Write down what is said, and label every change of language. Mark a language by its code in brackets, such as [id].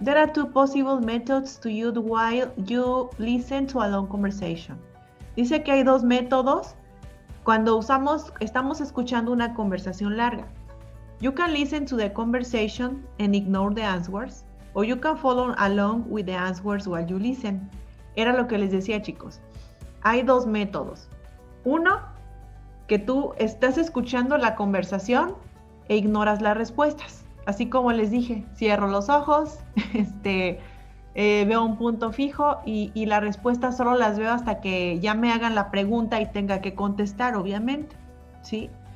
[en] There are two possible methods to use while you listen to a long conversation. [es] Dice que hay dos métodos cuando estamos escuchando una conversación larga. [en] You can listen to the conversation and ignore the answers, or you can follow along with the answers while you listen. [es] Era lo que les decía, chicos. Hay dos métodos. Uno, que tú estás escuchando la conversación e ignoras las respuestas. Así como les dije, cierro los ojos, veo un punto fijo y las respuestas solo las veo hasta que ya me hagan la pregunta y tenga que contestar, obviamente, ¿sí?